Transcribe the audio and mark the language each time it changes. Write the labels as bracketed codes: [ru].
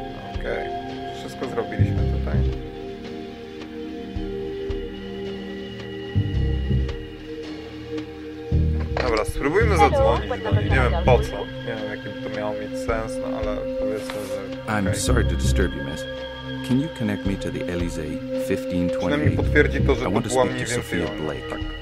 [pl] Okej. Wszystko zrobiliśmy tutaj. Dobra, spróbujmy zadzwonić do niej. Nie wiem po co. Nie wiem, jaki by to miało mieć sens, no ale powiedzmy, że... [en] I'm sorry to disturb you, miss. Can you connect me to the Elysee 1528? [pl] Potwierdzi to, że to była mniej więcej ona. Tak.